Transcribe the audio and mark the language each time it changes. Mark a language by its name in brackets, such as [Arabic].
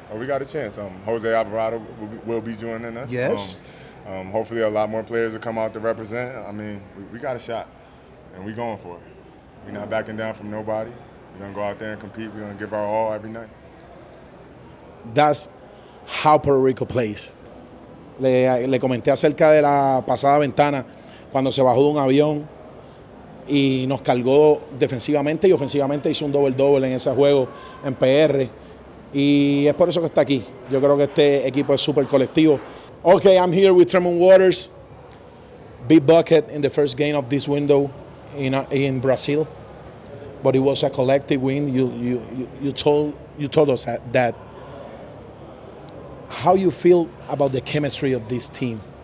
[English] Oh, we got a chance. Jose Alvarado will be joining us. Yes. Hopefully a lot more players will come out to represent. I mean, we got a shot, and we're going for it. We're not backing down from nobody. We're going to go out there and compete. We're going to give our all every night. That's how Puerto Rico plays. [Spanish] Le comenté acerca de la pasada ventana cuando se bajó de un avión y nos cargó defensivamente y ofensivamente. Hizo un doble-doble en ese juego en PR. Y es por eso que está aquí. Yo creo que este equipo es súper colectivo. [English] Okay, I'm here with Tremon Waters. Big bucket in the first game of this window in Brazil, but it was a collective win. You told us that. How you feel about the chemistry of this team?